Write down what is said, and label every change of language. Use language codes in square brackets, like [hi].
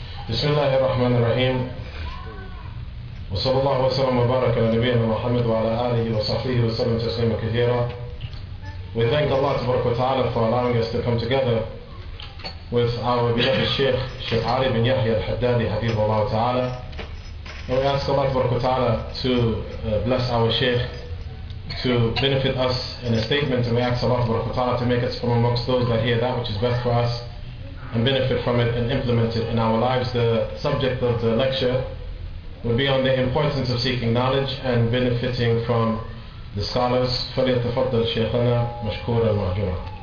[ar] بسم الله الرحمن الرحيم وصلى الله وسلم وبارك على نبينا محمد وعلى آله وصحبه وسلم تسليما كثيرا. [en] We thank Allah [ar] تبارك وتعالى [en] for allowing us to come together with our beloved Sheikh, Sheikh Ali bin Yahya al-Haddadi, [ar] حبيبه الله تعالى. [en] And we ask Allah [ar] تبارك وتعالى [en] to bless our Sheikh, to benefit us in a statement, and we ask Allah تبارك وتعالى to make us from amongst those that hear that which is best for us and benefit from it and implement it in our lives. The subject of the lecture will be on the importance of seeking knowledge and benefiting from the scholars. [ar] فليتفضل شيخنا مشكور المهجور.